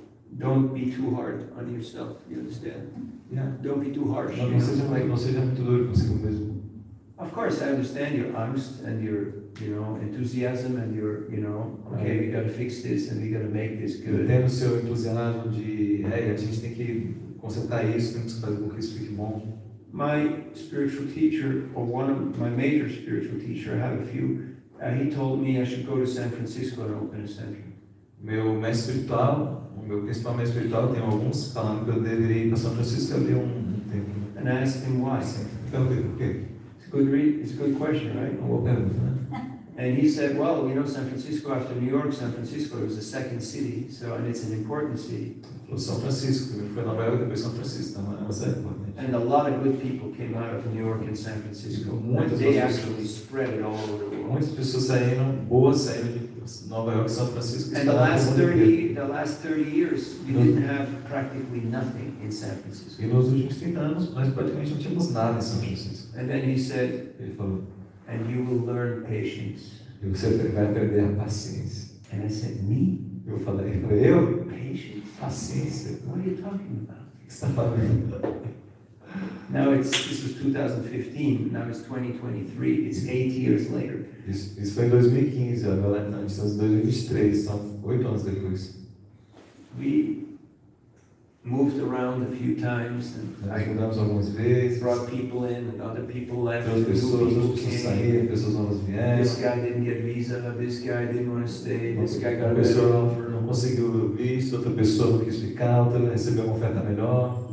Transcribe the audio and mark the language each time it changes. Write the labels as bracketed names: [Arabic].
[English] Don't be too hard on yourself, you understand? Yeah. Don't be too harsh. [Portuguese] Não seja muito duro consigo mesmo. [English] Of course, I understand your angst and your, you know, enthusiasm and your, you know, okay, we gotta fix this and we gotta make this good. [Portuguese] Entendo o seu entusiasmo de, a gente tem que consertar isso, temos que fazer com que isso fique bom. [English] My spiritual teacher, or one of my major spiritual teacher, I have a few, he told me I should go to San Francisco and open a center. [Portuguese] Meu mestre espiritual, o meu principal mestre espiritual, tem alguns falando que eu deveria ir para São Francisco abrir templo. [English] And I asked him why. [Portuguese] Perguntei por quê. [English] It's a good question, right? [Portuguese] Uma boa pergunta, né? [English] And he said, well, you know, San Francisco after New York, San Francisco is the second city, so and it's an important city. [Portuguese] São Francisco, foi Nova York, depois São Francisco, mas é importante. [English] And a lot of good people came out of New York and San Francisco. [Portuguese] Muitas pessoas [English] spread it all over the world. [Portuguese] Muitas pessoas saíram, boas saíram de Nova York, São Francisco. [English] And the last 30 years, you didn't have practically nothing in San Francisco. [Portuguese] E nos últimos 30 anos, nós praticamente não tínhamos nada em São Francisco. [English] And then he said, [Portuguese] ele falou, [English] and you will learn patience. [Portuguese] E você vai perder a paciência. [English] And I said, me? [Portuguese] Eu falei, [English] patience? [Portuguese] Paciência. [English] What are you talking about? [Portuguese] O que você está falando? [English] Now this was 2015, now it's 2023, it's 8 years later. [Portuguese] Isso foi em 2015, agora estamos em 2023, são 8 anos depois. [English] We moved around a few times and [Portuguese] nós mudamos algumas vezes. [English] Brought people in and other people left. [Portuguese] Pessoas novas vieram. [English] This guy didn't get visa, this guy didn't want to stay, this guy got a better offer. [Portuguese] Não conseguiu visto, outra pessoa não quis ficar, outra recebeu uma oferta melhor.